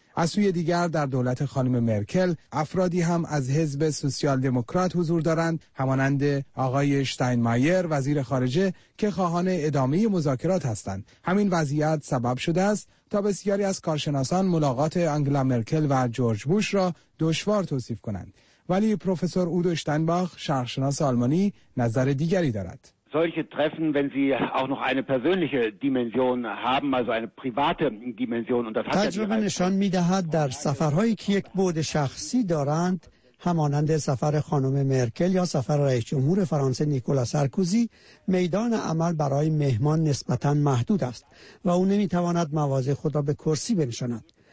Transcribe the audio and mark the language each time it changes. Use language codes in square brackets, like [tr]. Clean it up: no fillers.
[fa] از سوی دیگر در دولت خانم مرکل افرادی هم از حزب سوسیال دموکرات حضور دارند، همانند آقای شتاینمایر، وزیر خارجه، که خواهان ادامه مذاکرات هستند. همین وضعیت سبب شده است تا بسیاری از کارشناسان ملاقات آنگلا مرکل و جورج بوش را دشوار توصیف کنند. ولی پروفسور اودو شتاینباخ، شرح‌شناس آلمانی، نظر دیگری دارد. [de] Solche Treffen, wenn sie auch noch eine persönliche Dimension haben, also eine private Dimension, und das hat [fa] تجربه نشان می‌دهد در سفرهایی که یک بُعد شخصی دارند، همانند سفر خانم مرکل یا سفر رئیس جمهور فرانسه نیکولا سارکوزی، میدان عمل برای مهمان نسبتاً محدود است و او نمی‌تواند مواضع خود را به کرسی بنشاند.